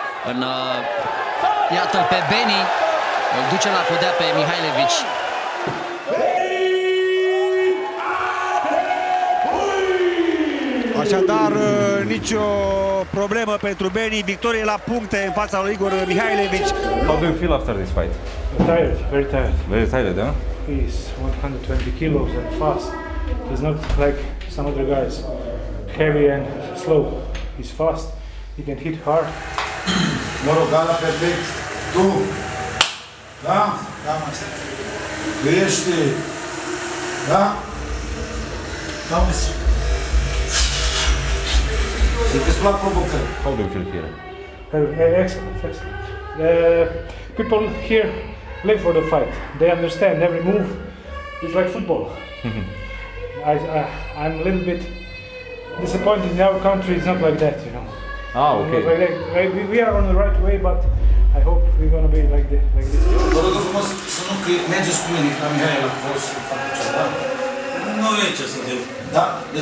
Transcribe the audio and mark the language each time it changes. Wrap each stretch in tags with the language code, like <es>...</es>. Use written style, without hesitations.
<ro>în, iată-l pe Beni, îl duce la podea pe Mihailovici. Așadar, nicio problemă pentru Beni, victorie la puncte în fața lui Igor Mihailovici.</ro> <en>How do you feel after this fight? Tired, very tired. Very tired, da? He's 120 kilos and fast. He's not like some other guys, heavy and slow. He's fast, he can hit hard.</en> <ro>Mă rog, gala perfect, tu, da? Da, mă, stai. Ești, da? Da, mă, stai.</ro> <en>How do you feel here? Excellent. People here live for the fight. They understand every move. It's like football. I'm a little bit disappointed in our country. It's not like that, you know. Ah, okay. We are on the right way, but I hope we're gonna be like this.</en> <ro>Vă rog frumos să nu mergeți cu mine, că Mihai a fost să facă ceva. Nu e ce să zic.</ro>